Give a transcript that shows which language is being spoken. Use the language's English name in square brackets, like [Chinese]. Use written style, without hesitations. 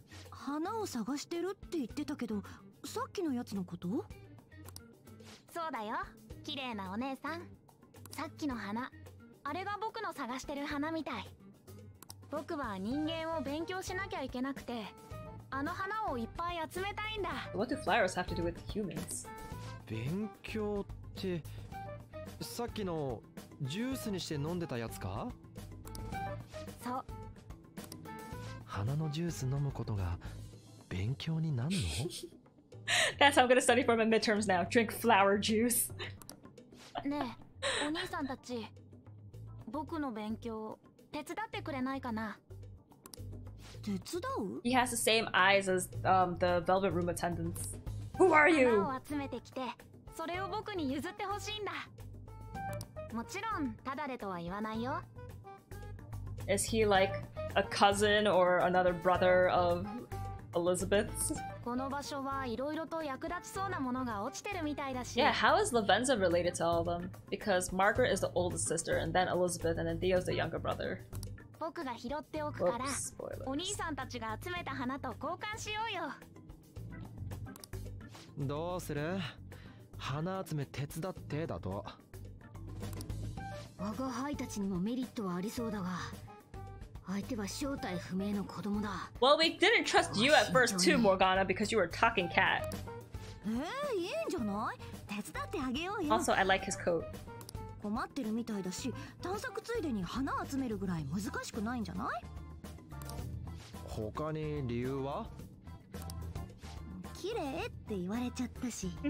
[Japanese] 花を探してるって言ってたけど、さっきのやつのこと？そうだよ、綺麗なお姉さん。さっきの花、あれが僕の探してる花みたい。僕は人間を勉強しなきゃいけなくて、あの花をいっぱい集めたいんだ。 [English] What do flowers have to do with humans? [Japanese] 勉強って、さっきの…ジュースにして飲んでたやつか？そう。花のジュース飲むことが勉強になるの？ [English] That's how I'm gonna study for my midterms now. Drink flower juice. [Japanese] ねえ、お兄さんたち、僕の勉強手伝ってくれないかな？手伝う？ [English] He has the same eyes as the velvet room attendants. Who are you? [Japanese] 花を集めてきて、それを僕に譲ってほしいんだ。もちろんただでとは言わないよ。 [English] Is he like a cousin or another brother of Elizabeth's? [Japanese] この場所はいろいろと役立ちそうなものが落ちてるみたいだし。 [English] Yeah, how is Lavenza related to all of them? Because Margaret is the oldest sister, and then Elizabeth, and then Theo's the younger brother. [Japanese] 僕が拾っておくから、お兄さんたちが集めた花と交換しようよ。どうする？花集め手伝ってだと。我が輩たちにもメリットはありそうだが、相手は正体不明の子供だ。 [English] Well, we didn't trust you at first too, Morgana, because you were a talking cat. [Japanese] いいんじゃない？手伝ってあげようよ。 [English] Also, I like his coat. [Japanese] 困ってるみたいだし、探索ついでに花集めるぐらい難しくないんじゃない？他に理由は？綺麗って言われちゃったし。